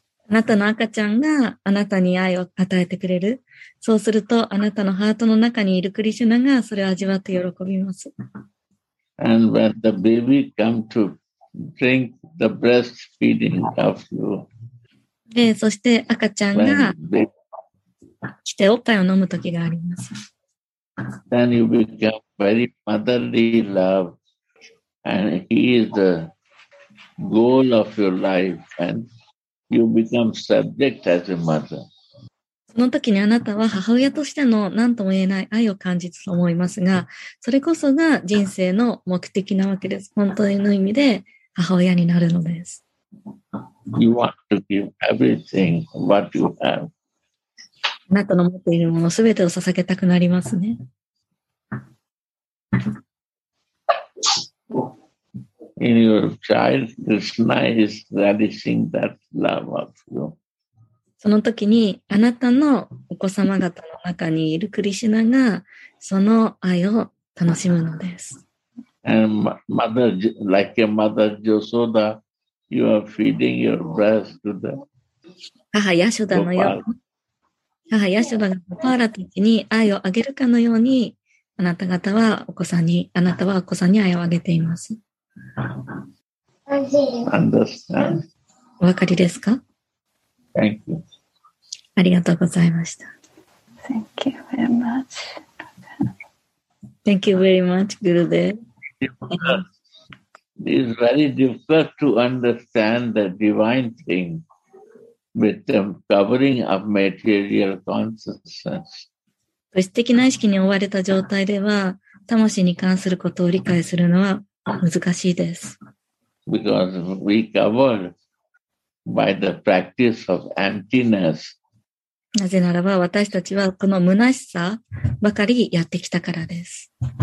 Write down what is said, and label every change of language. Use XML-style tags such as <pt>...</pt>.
<ja>あなたの赤ちゃんがあなたに愛を与えてくれる。そうすると、あなたのハートの中にいるクリシュナがそれを味わって喜びます。</ja> <en>And when the baby comes to drink the breastfeeding of you.</en> <ja>で、そして赤ちゃんが来ておっぱいを飲む時があります。</ja> <en>Then you become very motherly love. And he is the goal of your life and you become subject as a mother.</en> <ja>その時にあなたは母親としての何とも言えない愛を感じると思いますが、それこそが人生の目的なわけです。本当の意味で母親になるのです。</ja> <en>You want to give everything what you have.</en> <ja>あなたの持っているものすべてを捧げたくなりますね。</ja> <en>In your child, Krishna is relishing that love of you.</en> <ja>その時に、あなたのお子様方の中にいるクリシュナが、その愛を楽しむのです。</ja> <en>And mother, like a mother, Yashoda, you are feeding your breast to the</en> <ja>母ヤショダのように、母ヤショダがゴパーラたちに愛をあげるかのように、あなた方はお子さんに、あなたはお子さんに愛をあげています。</ja> <en>Understand.</en> <ja>お分かりですか?</ja> <en>Thank you.</en> <ja>ありがとうございました。</ja> <en>Thank you very much. Thank you very much, Gurudev. It is very difficult to understand the divine thing with the covering of material consciousness.</en> <ja>物質的な意識に覆われた状態では、魂に関することを理解するのは難しいです。</ja> <en>Because we cover by the practice of emptiness.</en> <ja>なぜならば私たちはこの虚しさばかりやってきたからです。</ja>